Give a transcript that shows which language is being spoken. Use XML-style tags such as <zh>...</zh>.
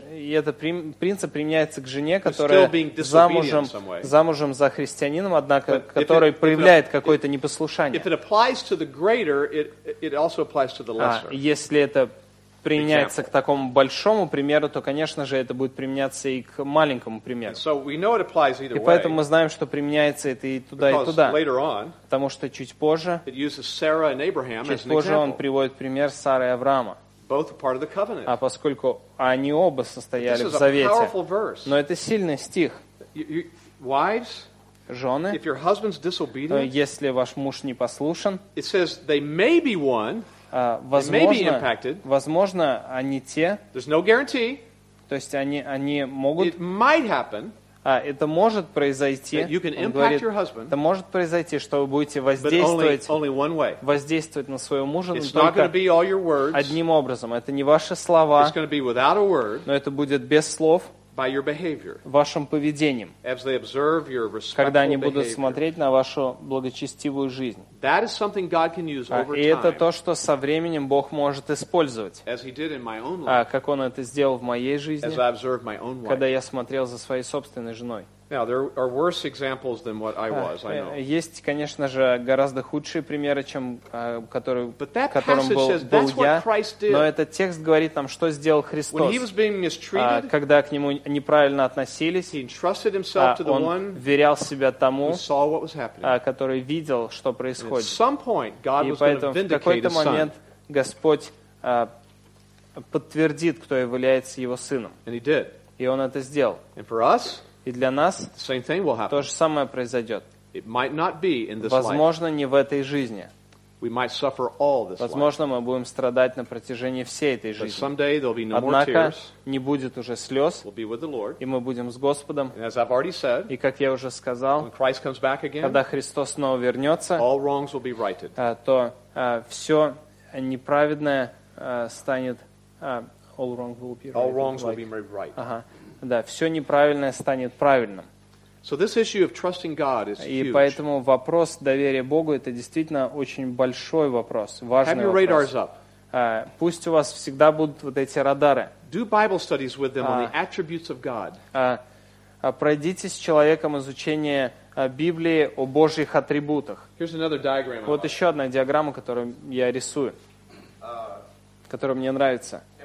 <ru>И этот принцип применяется к жене, которая замужем за христианином, однако который проявляет какое-то непослушание.</ru> <en>If it applies to the greater, it also applies to the lesser.</en> <ru>Если это применяется к такому большому примеру, то, конечно же, это будет применяться и к маленькому примеру.</ru> <en>So we know it applies either way.</en> <ru>И поэтому мы знаем, что применяется это и туда, и туда.</ru> <en>Later on,</en> <ru>потому что чуть позже,</ru> <en>it uses Sarah and Abraham as an example.</en> <ru>Позже он приводит пример Сары и Авраама.</ru> <en>Both part of the covenant.</en> <ru>Поскольку они оба состояли в завете.</ru> <en>This is a powerful verse.</en> <ru>Но это сильный стих.</ru> <en>Wives.</en> <ru>Жены,</ru> <en>if your husband's disobedient,</en> <ru>если ваш муж не послушен,</ru> <en>it says they may be one,</en> <ru>возможно,</ru> <en>they may be impacted.</en> <ru>Возможно, они те.</ru> <en>There's no guarantee.</en> <ru>То есть они могут.</ru> <en>It might happen.</en> <ru>Это может произойти.</ru> <en>That you can impact</en> <ru>говорит,</ru> <en>your husband.</en> <ru>Это может произойти, что вы будете воздействовать.</ru> <en>But only one way.</en> <ru>Воздействовать на своего мужа.</ru> <en>It's not going to be all your words.</en> <ru>Одним образом. Это не ваши слова.</ru> <en>It's going to be without a word.</en> <ru>Но это будет без слов.</ru> <en>By your behavior,</en> <ru>вашим поведением,</ru> <en>as they observe your respectful behavior,</en> <ru>когда они будут смотреть на вашу благочестивую жизнь.</ru> <en>That is something God can use over time.</en> <ru>И это то, что со временем Бог может использовать,</ru> <en>as he did in my own life,</en> <ru>как он это сделал в моей жизни,</ru> <en>as I observed my own wife,</en> <ru>когда я смотрел за своей собственной женой.</ru> <en>Now, there are worse examples than what I was, I know.</en> <ru>Есть, конечно же, гораздо худшие примеры, чем который, которым был, был я. Но этот текст говорит нам, что сделал Христос. Когда к нему неправильно относились, он верял себя тому, который видел, что происходит. И поэтому в какой-то момент Господь подтвердит, кто является Его Сыном. И Он это сделал.</ru> <en>And for us,</en> <ru>и для нас то же самое произойдет. Возможно, не в этой жизни. Возможно, мы будем страдать на протяжении всей этой жизни. Однако, не будет уже слез, и мы будем с Господом. И как я уже сказал, когда Христос снова вернется, то все неправедное станет...</ru> <en>All wrongs will be made right.</en> <ru>Да, все неправильное станет правильным.</ru> <en>So this issue of trusting God is huge.</en> <ru>И поэтому вопрос доверия Богу – это действительно очень большой вопрос, важный вопрос.</ru> <en>Have your radars up.</en> <ru>Пусть у вас всегда будут вот эти радары.</ru> <en>Do Bible studies with them on the attributes of God.</en> <ru>Пройдите с человеком изучение Библии о Божьих атрибутах.</ru> <en>Here's another diagram.</en> <ru>Вот еще одна диаграмма, которую я рисую, которая мне нравится.</ru>